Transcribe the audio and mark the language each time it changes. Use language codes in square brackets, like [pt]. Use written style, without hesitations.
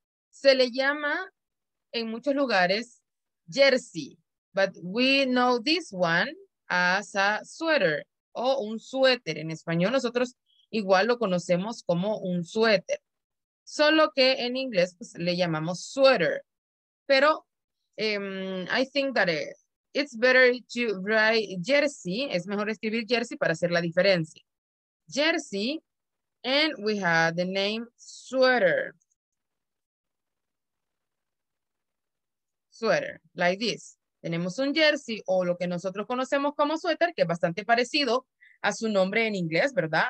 [es] se le llama en muchos lugares [en] jersey, but we know this one as a sweater [es] o un suéter. En español nosotros igual lo conocemos como un suéter. Solo que en inglés pues, le llamamos sweater. [en] Pero I think that it's better to write jersey. [es] Es mejor escribir jersey para hacer la diferencia. [en] Jersey. And we have the name sweater. Sweater. Like this. [es] Tenemos un jersey o lo que nosotros conocemos como suéter, que es bastante parecido a su nombre en inglés, ¿verdad?